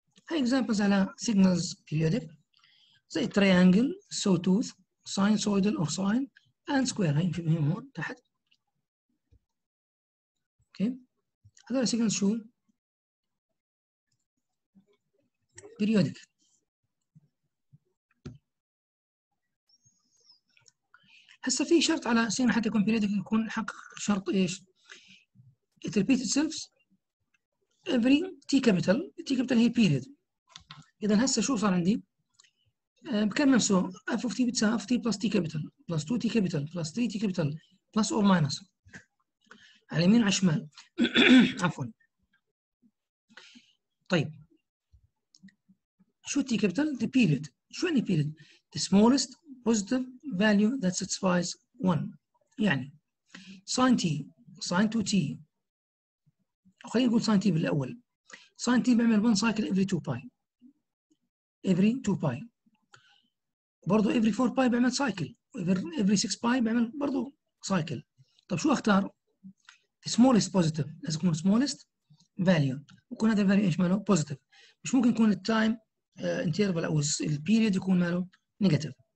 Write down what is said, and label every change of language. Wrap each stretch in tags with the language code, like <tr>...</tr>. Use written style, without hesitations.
<en>هاي examples على signals periodic زي triangle, sawtooth, sinusoidal or sine and square.</en> <ar>هاي في مهم هون تحت. اوكي هذول signals شو؟ periodic. هسه في شرط على سين حتى يكون periodic, يكون حقق شرط ايش؟</ar> <en>it repeats itself every t capital. t capital هي period.</en> <ar>إذا هسه شو صار عندي؟ بكم نفسه؟</ar> <en>f of t بتساوي f of t plus t capital plus 2 t capital plus 3 t capital plus or minus</en> <ar>على يمين على شمال. عفوا. طيب شو</ar> <en>t capital؟ the period.</en> <ar>شو يعني</ar> <en>period؟ the smallest positive value that satisfies 1.</en> <ar>يعني</ar> <en>sin t sin 2t,</en> <ar>خلينا نقول</ar> <en>sin t</en> <ar>بالأول.</ar> <en>sin t بعمل 1 cycle every 2 pi. Every 2 pi. برضو every 4 pi بعمل cycle. Every 6 pi بعمل برضو cycle.</en> <ar>طب شو اختار؟</ar> <en>The smallest positive.</en> <ar>لازم يكون</ar> <en>smallest value.</en> <ar>ويكون هذا value ايش ماله؟ positive. مش ممكن يكون</ar> <en>the time interval</en> <ar>او</ar> <en>the period</en> <ar>يكون ماله؟ negative.</ar>